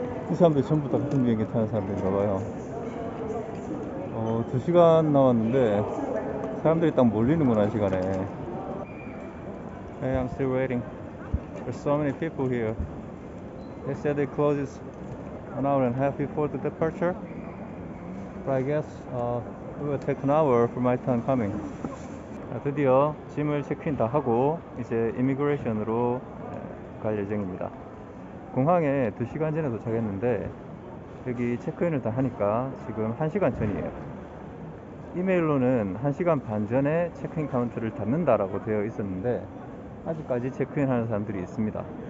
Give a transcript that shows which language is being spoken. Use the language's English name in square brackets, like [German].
[Korean] 이 사람들 전부 다 같은 비행기 타는 사람들인가 봐요. 2시간 남았는데 사람들이 딱 몰리는구나, 이 시간에. [English] Hey, I'm still waiting. There's so many people here. They said it closes an hour and a half before the departure. But I guess It will take an hour for my turn coming. [Korean] 드디어 짐을 체크인 다 하고 이제 이미그레이션으로 갈 예정입니다. 공항에 2시간 전에 도착했는데 여기 체크인을 다 하니까 지금 1시간 전이에요. 이메일로는 1시간 반 전에 체크인 카운터를 닫는다라고 되어 있었는데 아직까지 체크인하는 사람들이 있습니다.